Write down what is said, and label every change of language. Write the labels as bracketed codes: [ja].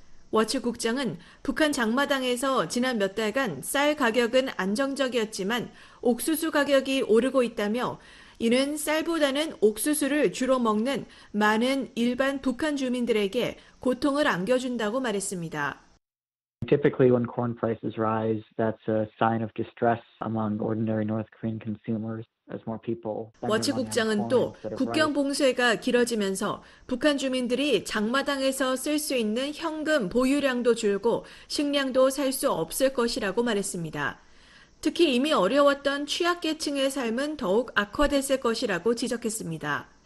[ko] 워츠 국장은 북한 장마당에서 지난 몇 달간 쌀 가격은 안정적이었지만 옥수수 가격이 오르고 있다며 이는 쌀보다는 옥수수를 주로 먹는 많은 일반 북한 주민들에게 고통을 안겨준다고 말했습니다. [en] Typically, when corn prices rise, that's a sign of distress among ordinary North Korean consumers as more people. [ko] 워치 국장은 또 국경 봉쇄가 길어지면서 북한 주민들이 장마당에서 쓸 수 있는 현금 보유량도 줄고 식량도 살 수 없을 것이라고 말했습니다. 특히 이미 어려웠던 취약계층의 삶은 더욱 악화됐을 것이라고 지적했습니다.